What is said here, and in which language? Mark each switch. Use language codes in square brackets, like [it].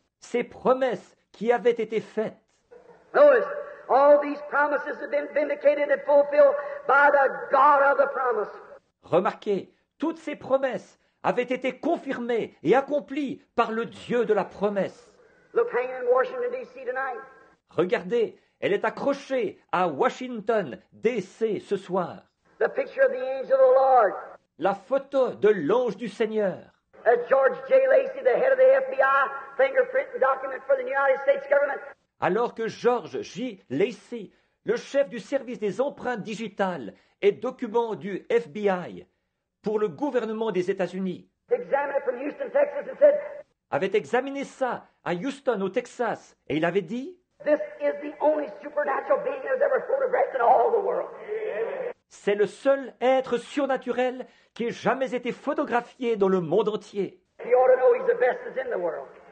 [fr] ces promesses qui avaient été faites. [en] Notice, all these promises have been vindicated and fulfilled by the God of the promise. [fr] Remarquez, toutes ces promesses avaient été confirmées et accomplies par le Dieu de la promesse. [en] Look, hanging in Washington, D.C. tonight. [fr] Regardez, elle est accrochée à Washington, D.C. ce soir. [en] The picture of the angel of the Lord. [fr] La photo de l'ange du Seigneur. [en] George J. Lacey, the head of the FBI, fingerprint and document for the United States government. [fr] Alors que George J. Lacey, le chef du service des empreintes digitales et documents du FBI pour le gouvernement des États-Unis, [en] examined it from Houston, Texas, and said, [fr] avait examiné ça à Houston, au Texas, et il avait dit, [en] this is the only supernatural being that has ever photographed in all the world. [fr] C'est le seul être surnaturel qui ait jamais été photographié dans le monde entier. [en] He ought to know he's the best that's in the world.